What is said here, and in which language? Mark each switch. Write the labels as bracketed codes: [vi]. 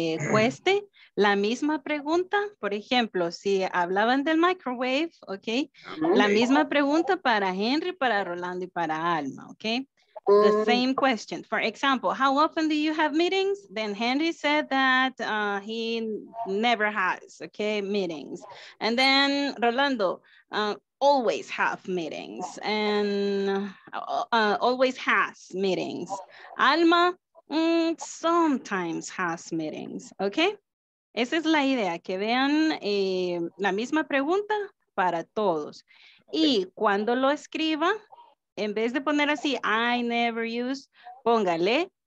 [es] cueste la misma pregunta, por ejemplo, si hablaban del microwave, ¿ok? La misma pregunta para Henry, para Rolando y para Alma, ¿ok? [en] The same question. For example, how often do you have meetings? Then Henry said that he never has, okay, meetings. And then Rolando always have meetings and always has meetings. Alma sometimes has meetings, okay? [es] Esa es la idea, que vean la misma pregunta para todos. Y cuando lo escriba, en vez de poner así, [en] I never use, [es] póngale